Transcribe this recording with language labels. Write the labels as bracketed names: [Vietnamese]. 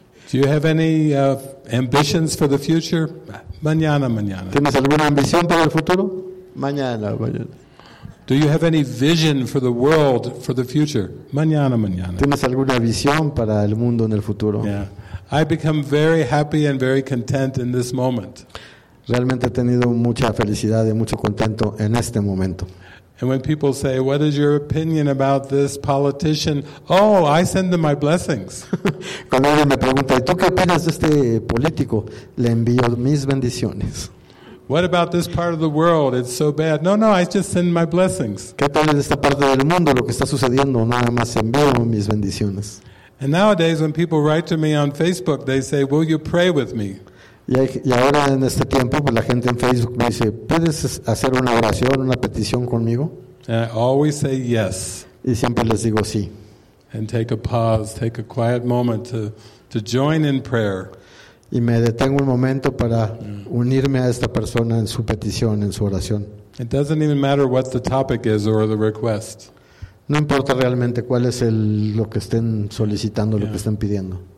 [English] Do you have any ambitions for the future? [Spanish] Mañana, mañana. ¿Tienes alguna ambición para el futuro? Mañana, mañana. [English] Do you have any vision for the world for the future? [Spanish] Mañana, mañana. ¿Tienes alguna visión para el mundo en el futuro? [English] Yeah. I become very happy and very content in this moment. [Spanish] Realmente he tenido mucha felicidad y mucho contento en este momento. [English] And when people say, "What is your opinion about this politician?" Oh, I send them my blessings. [Spanish] Cuando alguien me pregunta, "¿Y tú qué opinas de este político?" Le envío mis bendiciones. [English] What about this part of the world? It's so bad. No, I just send my blessings. [Spanish] ¿Qué tal en esta parte del mundo lo que está sucediendo? Nada más envío mis bendiciones. [English] And nowadays when people write to me on Facebook, they say, "Will you pray with me?" [Spanish] Y ahora en este tiempo, pues la gente en Facebook me dice, "¿Puedes hacer una oración, una petición conmigo?" [English] And I always say yes. [Spanish] Y siempre les digo sí. [English] And take a pause, take a quiet moment to join in prayer. [Spanish] Y me detengo un momento para unirme a esta persona en su petición, en su oración. [English] It doesn't even matter what the topic is or the request. [Spanish] No importa realmente cuál es lo que estén solicitando, lo que estén pidiendo.